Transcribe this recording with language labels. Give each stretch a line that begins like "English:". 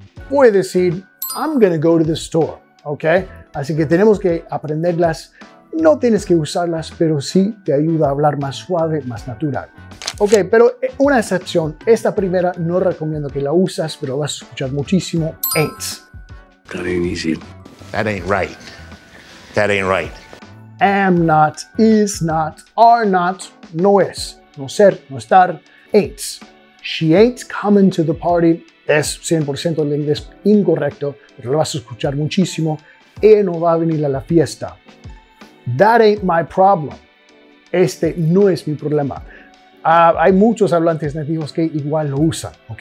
Spanish: Voy a decir,
English: I'm going to go to the store.
Spanish: ¿Okay? Así que tenemos que aprenderlas. No tienes que usarlas, pero sí te ayuda a hablar más suave, más natural. Ok, pero una excepción. Esta primera no recomiendo que la uses, pero vas a escuchar muchísimo.
English: Ain't. That ain't easy. That ain't right. That ain't right.
Spanish: Am not, is not, are not, no es. No ser, no estar.
English: Ain't. She ain't coming to the party.
Spanish: Es 100% el inglés incorrecto, pero lo vas a escuchar muchísimo. Ella no va a venir a la fiesta.
English: That ain't my problem.
Spanish: Este no es mi problema. Hay muchos hablantes nativos que igual lo usan, ¿ok?